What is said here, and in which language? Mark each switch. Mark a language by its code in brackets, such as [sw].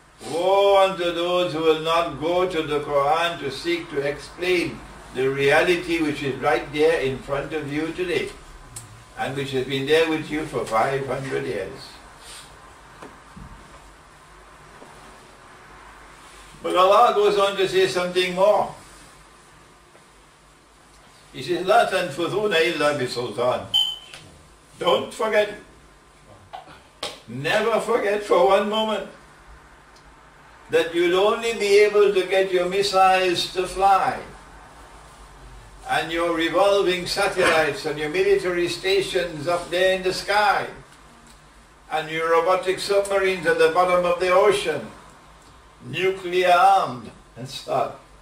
[en] Woe unto those who will not go to the Quran to seek to explain the reality which is right there in front of you today, and which has been there with you for 500 years. But Allah goes on to say something more. He says, [ar] لَا تَنْفُذُونَ إِلَّا بِسُلْطَانِ. [en] Don't forget. Never forget for one moment that you'll only be able to get your missiles to fly and your revolving satellites and your military stations up there in the sky and your robotic submarines at the bottom of the ocean, nuclear armed and stuff,